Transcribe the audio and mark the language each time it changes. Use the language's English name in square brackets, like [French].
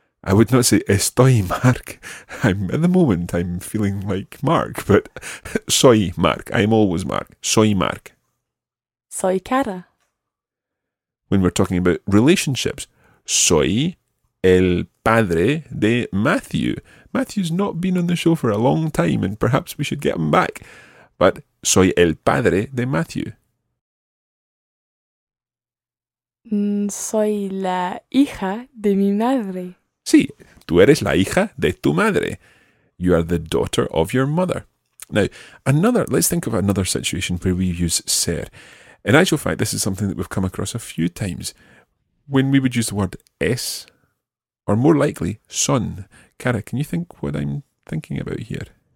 [English] I would not say, [Spanish] estoy Mark. [English] At the moment, I'm feeling like Mark, but [Spanish] soy Mark. [English] I'm always Mark. [Spanish] Soy Mark. Soy Cara. [English] When we're talking about relationships, [Spanish] soy el padre de Matthew. [English] Matthew's not been on the show for a long time, and perhaps we should get him back. [Spanish] But soy el padre de Matthew. Soy la hija de mi madre. Sí, tú eres la hija de tu madre. [English] You are the daughter of your mother. Now, let's think of another situation where we use ser. In actual fact, this is something that we've come across a few times. When we would use the word es, or more likely, son. Cara, can you think what I'm thinking about here?